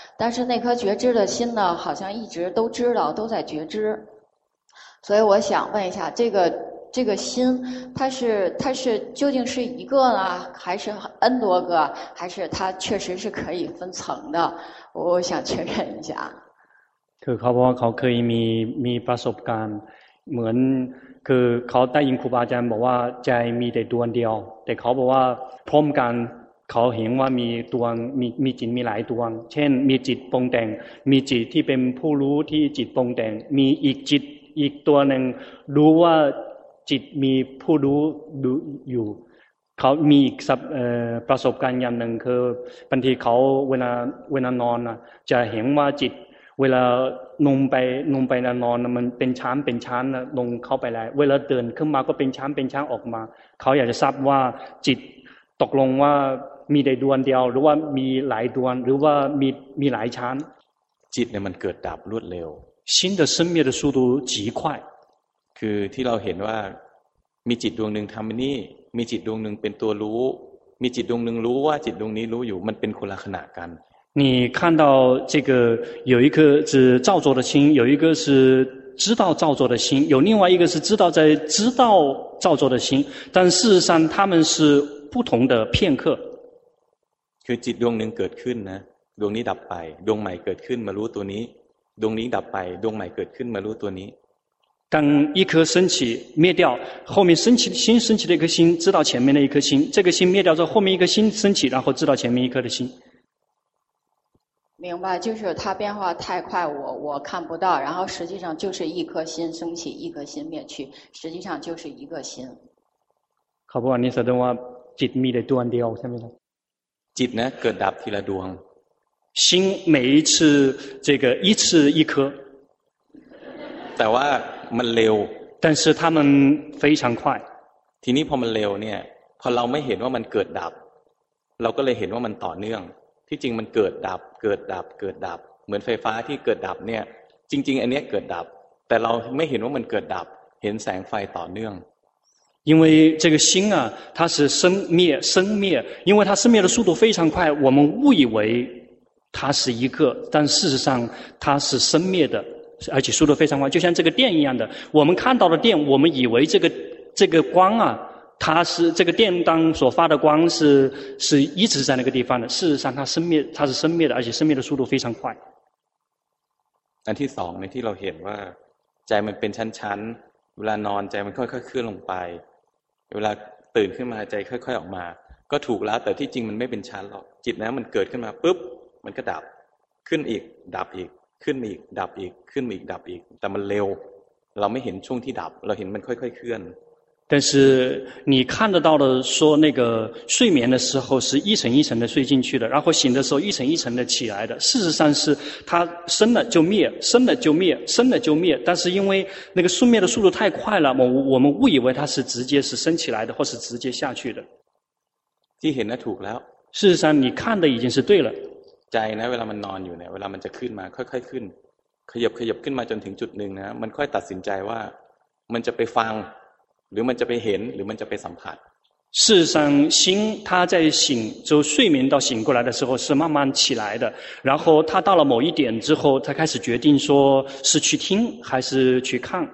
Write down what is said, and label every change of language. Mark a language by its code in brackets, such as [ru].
[zh] 但是那颗觉知的心呢，好像一直都知道，都在觉知。所以我想问一下，这个心，它是究竟是一个呢，还是 N 多个，还是它确实是可以分层的？我想确认一下。可靠不？靠可以 [th] มีประสบการณ์เหมือนคือเขาได้ยินครูบาอาจารย์บอกว่าใจมีแต่ดวงเดียวแต่เขาบอกว่าพร้อมกันเขาเห็นว่ามีดวงมีจิตมีหลายดวงเช่นมีจิตปรุงแต่งมีจิตที่เป็นผู้รู้ที่จิตปรุงแต่งมีอีกจิตอีกตัวหนึ่งรู้ว่าจิตมีผู้รู้ดูอยู่เขามี ประสบการณ์อย่างหนึ่งคือบางทีเขาเวลานอนนะจะเห็นว่าจิตเวลาลงไปนอนมันเป็นช้างเป็นช้างลงเข้าไปแล้วเวลาเดินขึ้นมาก็เป็นช้างเป็นช้างออกมาเขาอยากจะทราบว่าจิตตกลงว่ามีได้ดวงเดียวหรือว่ามีหลายดวงหรือว่ามีหลายช้าง จิตเนี่ยมันเกิดดับรวดเร็ว [zh] 心的生灭的速度极快 [th] คือที่เราเห็นว่ามีจิตดวงนึงทำนี่มีจิตดวงนึงเป็นตัวรู้มีจิตดวงนึงรู้ว่าจิตดวงนี้รู้อยู่มันเป็นคนละขณะกัน [zh] 你看到这个有一颗是造作的心，有一个是知道造作的心，有另外一个是知道在知道造作的心，但事实上他们是不同的片刻。 [th] คือจิตดวงหนึ่งเกิดขึ้นนะดวงนี้ดับไปดวงใหม่เกิดขึ้นมารู้ตัวนี้ดวงนี้ดับไปดวงใหม่เกิดขึ้นมารู้ตัวนี้ [zh] 当一颗升起灭掉，后面升起新升起的一颗心，知道前面的一颗心，这个心灭掉之后，后面一颗心升起，然后知道前面一颗的心。明白，就是它变化太快，我看不到，然后实际上就是一颗心升起，一颗心灭去，实际上就是一个心。 [th] ครับผมนี่แสดงว่า จิตมีแต่ดวงเดียวใช่ไหมครับ จิตนะเกิดดับทีละดวง [zh] 心每一次这个一次一颗 [th] แต่ว่ามันเร็ว [zh] 但是他们非常快 [th] ทีนี้พอมันเร็วเนี่ยพอเราไม่เห็นว่ามันเกิดดับเราก็เลยเห็นว่ามันต่อเนื่องที่จริงมันเกิดดับเกิดดับเกิดดับเหมือนไฟฟ้าที่เกิดดับเนี่ยจริงๆอันนี้เกิดดับแต่เราไม่เห็นว่ามันเกิดดับเห็นแสงไฟต่อเนื่อง [zh] 因为这个心啊它是生灭生灭因为它生灭的速度非常快我们误以为它是一个但事实上它是生灭的而且速度非常快就像这个电一样的我们看到的电我们以为这个光啊它是这个电当所发的光是一直在那个地方的事实上它是生灭的而且生灭的速度非常快 [th] อันที่สองในที่เราเห็นว่าใจมันเป็นชั้นๆเวลานอนใจมันค่อยๆเคลื่อนลงไปเวลาตื่นขึ้นมาใจค่อยๆออกมาก็ถูกแล้วแต่ที่จริงมันไม่เป็นชั้นหรอกจิตนะมันเกิดขึ้นมาปุ๊บมันก็ดับขึ้นอีกดับอีกขึ้นอีกดับอีกขึ้นอีกดับอีกแต่มันเร็วเราไม่เห็นช่วงที่ดับเราเห็นมันค่อยๆเคลื่อน [zh] 但是你看得到的说那个睡眠的时候是一层一层的睡进去的然后醒的时候一层一层的起来的事实上是它生了就灭生了就灭生了就灭但是因为那个生灭的速度太快了我们误以为它是直接是升起来的或是直接下去的 [th] ที่เห็นน่ะถูกแล้ว [zh] 事实上你看的已经是对了 [th] ใจนะเวลามันนอนอยู่เนี่ยเวลามันจะขึ้นมาค่อยๆขึ้นขยับขึ้นมาจนถึงจุดหนึ่งนะมันค่อยตัดสินใจว่ามันจะไปฟังหรือมันจะไปเห็นหรือมันจะไปสัมผัส [zh] 事实上心它在醒就睡眠到醒过来的时候是慢慢起来的然后它到了某一点之后它开始决定说是去听还是去看